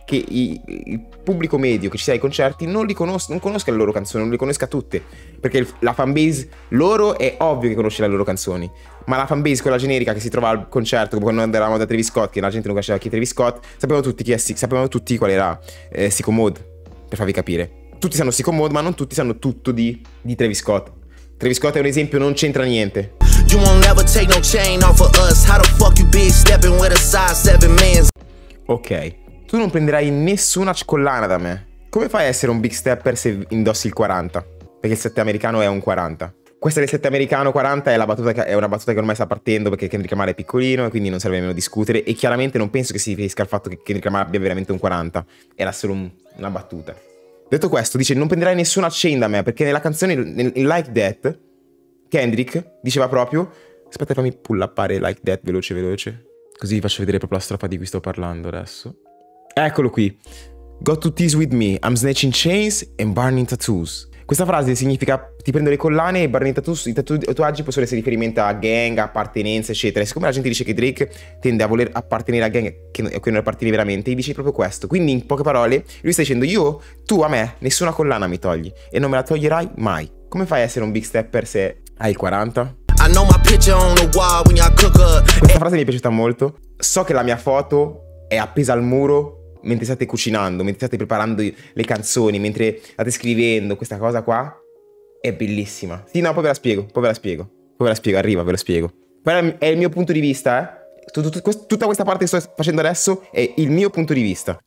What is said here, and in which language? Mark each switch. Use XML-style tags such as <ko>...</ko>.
<it>il pubblico medio che ci sia ai concerti non conosca le loro canzoni, non le conosca tutte, perché la fanbase loro è ovvio che conosce le loro canzoni, ma la fanbase quella generica che si trova al concerto, come quando andavamo da Travis Scott, che la gente non conosceva chi è Travis Scott, sapevano tutti qual era Sicko Mode, per farvi capire. Tutti sanno Sicko Mode, ma non tutti sanno tutto di Travis Scott. Travis Scott è un esempio, non c'entra niente.</it> <en>You won't never take no chain off of us. How the fuck you be stepping with a size 7 man's?</en> <it>Ok, tu non prenderai nessuna collana da me. Come fai a essere un big stepper se indossi il 40? Perché il 7 americano è un 40. Questa del 7 americano 40 è una battuta che ormai sta partendo, perché Kendrick Lamar è piccolino e quindi non serve nemmeno discutere. E chiaramente non penso che si riferisca al fatto che Kendrick Lamar abbia veramente un 40. Era solo una battuta. Detto questo, dice, non prenderai nessuna chain da me, perché nella canzone, in Like That, Kendrick diceva proprio, aspetta, fammi pull appare Like That veloce veloce, così vi faccio vedere proprio la strofa di cui sto parlando adesso. Eccolo qui.</it> <en>Got to tease with me, I'm snatching chains and burning tattoos.</en> <it>Questa frase significa, ti prendo le collane e</it> <en>burning tattoos,</en> <it>i tatuaggi possono essere riferimento a gang, appartenenza, eccetera. E siccome la gente dice che Drake tende a voler appartenere a gang a cui non appartiene veramente, gli dice proprio questo. Quindi, in poche parole, lui sta dicendo, io, tu a me, nessuna collana mi togli e non me la toglierai mai. Come fai a essere un big stepper se hai il 40?</it> <en>I know my picture on the wall when y'all cook up.</en> <it>Questa frase mi è piaciuta molto. So che la mia foto è appesa al muro mentre state cucinando, mentre state preparando le canzoni, mentre state scrivendo. Questa cosa qua è bellissima. Sì, no, poi ve la spiego, arriva, ve lo spiego. Però è il mio punto di vista, tutta questa parte che sto facendo adesso è il mio punto di vista.</it>